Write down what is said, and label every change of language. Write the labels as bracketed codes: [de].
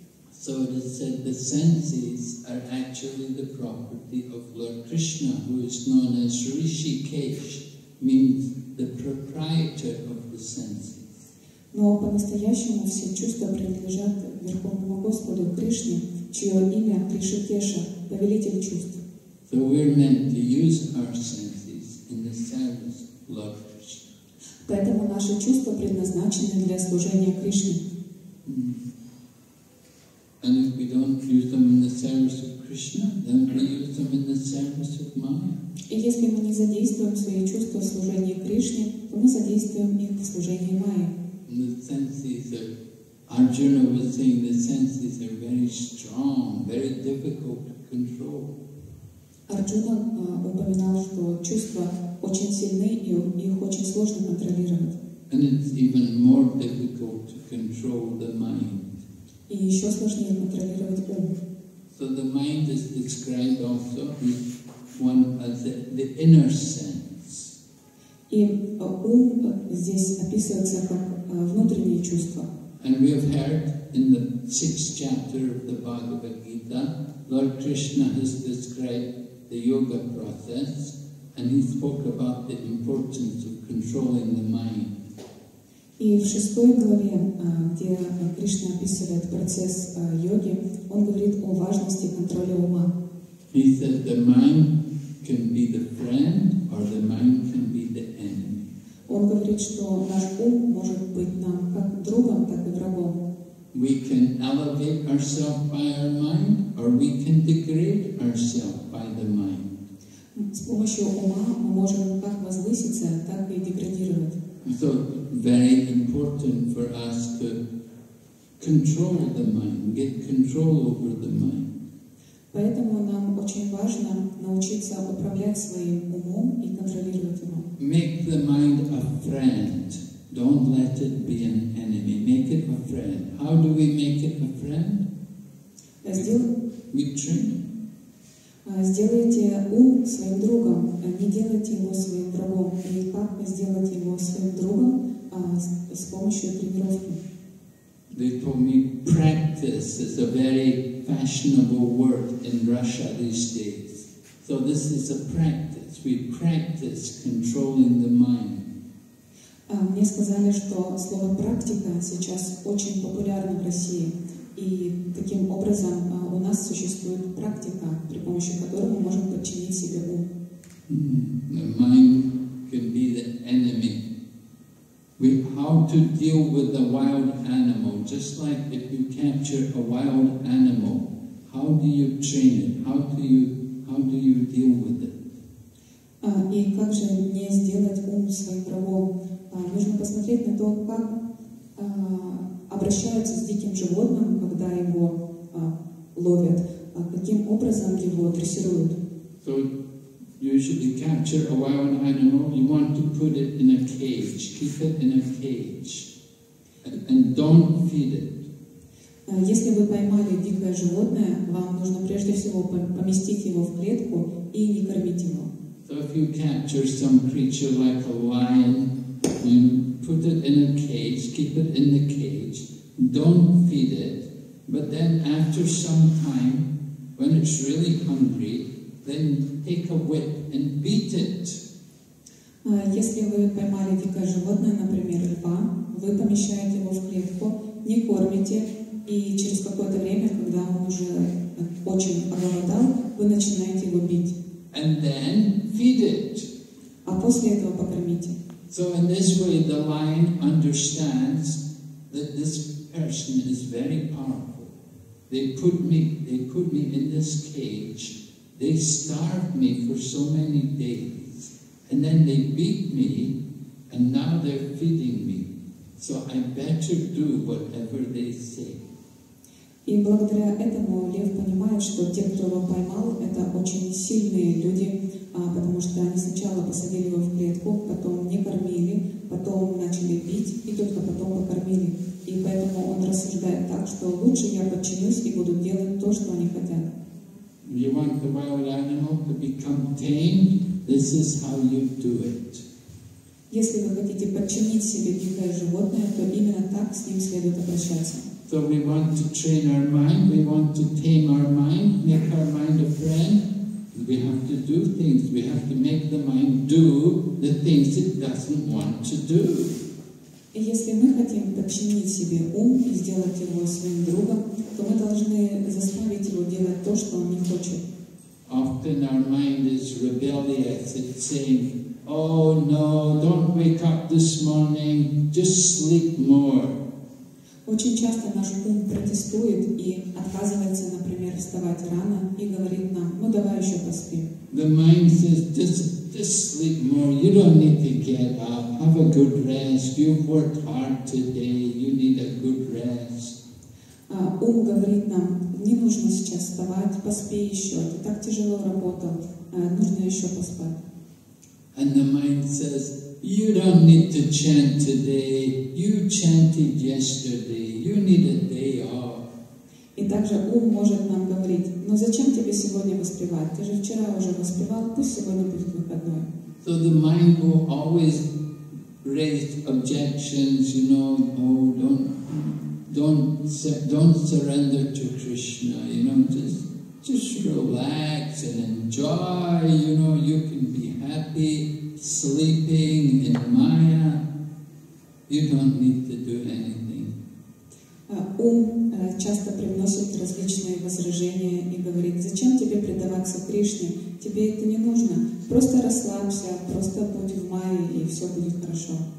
[en] So it is said the senses are actually the property of Lord Krishna, who is known as Rishikesh, means the proprietor of the senses. [ru] Но по-настоящему все чувства принадлежат Верховному Господу Кришне, чье имя Ришикеша, повелитель чувств. [en] So we're meant to use our senses in the service of Lord Krishna. [ru] Поэтому наши чувства предназначены для служения Кришне. [en] And if we don't use them in the service of Krishna, then we use them in the service of Maya. [ru] И если мы не задействуем свои чувства в служении Кришне, то мы задействуем их в служении Майи. [en] And the senses are, Arjuna was saying, the senses are very strong, very difficult to control. [ru] Arjuna упоминал, что чувства очень сильны и их очень сложно контролировать. [en] And it's even more difficult to control the mind. [ru] И еще сложнее контролировать ум. [en] So the mind is described also as the inner sense. [ru] И ум здесь описывается как внутренние чувства. [en] And we have heard in the sixth chapter of the Bhagavad Gita, Lord Krishna has described the yoga process, and he spoke about the importance of controlling the mind. [ru] И в шестой главе, где Кришна описывает процесс йоги, он говорит о важности контроля ума. [en] He said the mind can be the friend, or the mind can be the enemy. [ru] Он говорит, что наш ум может быть нам как другом, так и врагом. [en] We can elevate ourselves by our mind, or we can degrade ourselves by the mind. [ru] С помощью ума мы можем как возвыситься, так и деградировать. [en] So, very important for us to control the mind, get control over the mind. [ru] Поэтому нам очень важно научиться управлять своим умом и контролировать его. [en] Make the mind a friend. Don't let it be an enemy. Make it a friend. How do we make it a friend? We train. [ru] Сделайте ум своим другом, не делайте его своим врагом. И как сделать его своим другом с помощью тренировки? [en] They told me practice is a very fashionable word in Russia these days. So this is a practice. We practice controlling the mind. [ru] Мне сказали, что слово практика сейчас очень популярно в России. И таким образом у нас существует практика, при помощи которой мы можем подчинить себе ум. [en] The mind can be the enemy. How to deal with a wild animal? Just like if you capture a wild animal, how do you train it? How do you deal with it? [ru] И как же мне сделать ум своим врагом? Нужно посмотреть на то, как обращаются с диким животным, когда его ловят, каким образом его дрессируют. [en] So, usually capture a wild animal, you want to put it in a cage, keep it in a cage, and don't feed it. [ru] Если вы поймали дикое животное, вам нужно прежде всего поместить его в клетку и не кормить его. [en] So, if you capture some creature like a lion, you put it in a cage, keep it in the cage, don't feed it, but then after some time, when it's really hungry, then take a whip and beat it. [ru] Если вы поймали дикое животное, например, льва, вы помещаете его в клетку, не кормите, и через какое-то время, когда он уже очень оголодал, вы начинаете его бить. [en] And then feed it. [ru] А после этого покормите. [en] So in this way, the lion understands that this person is very powerful. They put me in this cage. They starved me for so many days, and then they beat me, and now they're feeding me. So I better do whatever they say. [ru] И благодаря этому лев понимает, что те, кто его поймал, это очень сильные люди, потому что они сначала посадили его в клетку, потом не кормили, потом начали бить, и только потом покормили. И поэтому он рассуждает так, что лучше я подчинюсь и буду делать то, что они хотят. [en] You want the wild animal to become tamed? This is how you do it. [ru] Если вы хотите подчинить себе дикое животное, то именно так с ним следует обращаться. [en] So we want to train our mind, we want to tame our mind, make our mind a friend. We have to do things, we have to make the mind do the things it doesn't want to do. [ru] Если мы хотим подчинить себе ум и сделать его своим другом, то мы должны заставить его делать то, что он не хочет. [en] Often our mind is rebellious, it's saying, oh no, don't wake up this morning, just sleep more. [ru] Очень часто наш ум протестует и отказывается, например, вставать рано и говорит нам, ну давай еще поспим. [en] The mind says, just sleep more, you don't need to get up, have a good rest, you've worked hard today, you need a good rest. [ru] Ум говорит нам, не нужно сейчас вставать, поспи еще, ты так тяжело работал, нужно еще поспать. [en] And the mind says, you don't need to chant today, you chanted yesterday, you need a day off. [ru] И также ум может нам говорить, но зачем тебе сегодня воспевать? Ты же вчера уже воспевал, пусть сегодня будет выходной. [en] So So the mind will always raise objections, you know, oh, don't surrender to Krishna, you know, just relax and enjoy, you know, you can be happy sleeping in Maya. You don't need to do anything. [ru] Ум часто привносит различные возражения и говорит, зачем тебе предаваться Кришне? Тебе это не нужно. Просто расслабься, просто будь в Майе, и все будет хорошо.